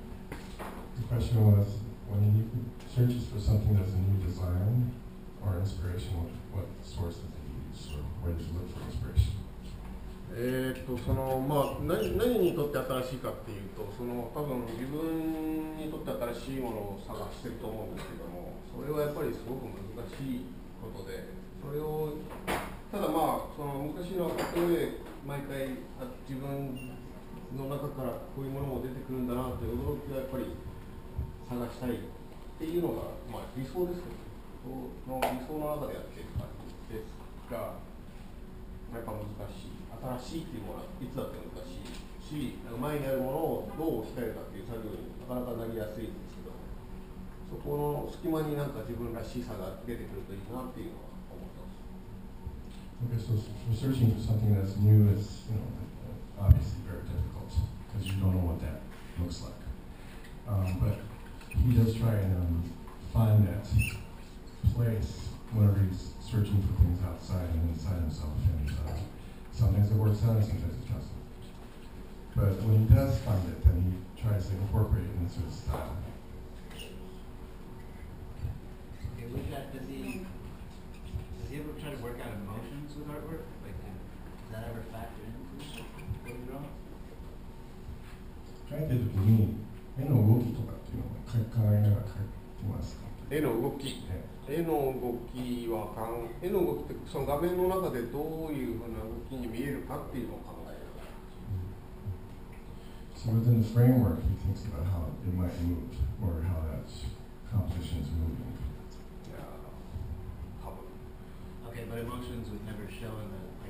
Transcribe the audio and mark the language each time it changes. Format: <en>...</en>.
<en>The question was, when he searches for something that's a new design or inspiration, what source does he use, or where does he look for inspiration?</en> <ja>その、まあ、何にとって新しいかっていうと、その多分自分にとって新しいものを探してると思うんですけども、それはやっぱりすごく難しいことで、それをただまあその昔の例えば毎回自分の中からこういうものも出てくるんだなって驚きはやっぱり探したいっていうのが、まあ、理想ですよね。理想の中でやっている感じですが、やっぱ難しい。新しいっていうものはいつだって難しいし、前にあるものをどう置き換えるかっていう作業になかなかなりやすいんですけど、そこの隙間になんか自分らしさが出てくるといいなっていうのは思ってます。</ja> <en>Okay, so for searching for something that's new is, you know, obviously very difficult because you don't know what that looks like. But he does try and find that place whenever he's searching for things outside and inside himself. And sometimes it works out and sometimes it doesn't. But when he does find it, then he tries to incorporate it into his style. Okay, with that, does he ever try to work out emotions with artwork? Like, does that ever factor in?</en> <ja>描いてる時に絵の動きとかっていうのを考えながら描いてますか？絵の動き、ね、絵の動きは絵の動きってその画面の中でどういうふうな動きに見えるかっていうのを考えながら、うん、</ja> <en>So within the framework he thinks about how it might move or how that composition is moving. Yeah, probably. Okay, but emotions would never show in the</en>